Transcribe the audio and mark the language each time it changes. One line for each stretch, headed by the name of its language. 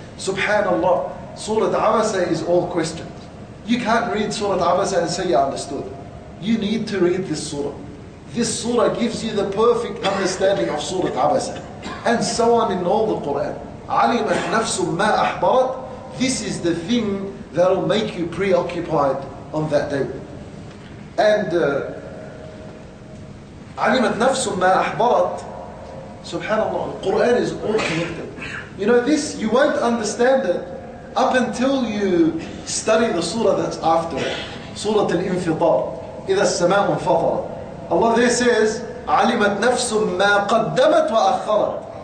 English: Subhanallah, Surah Abasa is all questions. You can't read Surah Abasa and say you understood. You need to read this surah. This surah gives you the perfect understanding of Surah Abasa. And so on in all the Quran.
Arabic: عَلِمَتْ نَفْسُ مَا أَحْبَرَ.
English: This is the thing that will make you preoccupied on that day. And
Arabic: عَلِمَتْ نَفْسٌ مَا أَحْبَرَتْ.
English: Subhanallah, the Qur'an is all connected. You know this, you won't understand it up until you study the surah that's after it. Surah Al-Infitar.
Arabic: إِذَا السَّمَاءُ انْفَطَرَتْ.
English: Allah there says,
Arabic: علمت نفس ما قدمت وأخرت.